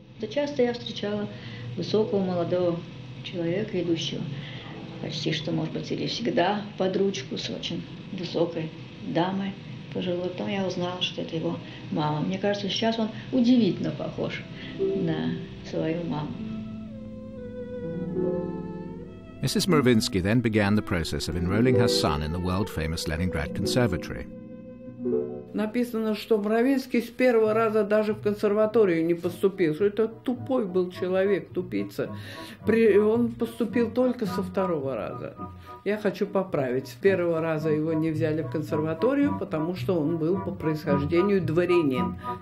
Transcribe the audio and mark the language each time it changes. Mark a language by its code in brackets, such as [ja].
[ru] Часто я встречала высокого молодого человека, идущего почти что, может быть, или всегда под ручку с очень высокой дамы пожилой. Потом я узнала, что это его мама. Мне кажется, сейчас он удивительно похож на свою маму. [en] Mrs. Mravinsky then began the process of enrolling her son in the world-famous Leningrad Conservatory. [ru] написано, что Мравинский с первого раза даже в консерваторию не поступил. Что это тупой был человек, тупица. Он поступил только со второго раза. Я хочу поправить. С первого раза его не взяли в консерваторию, потому что он был по происхождению дворянин.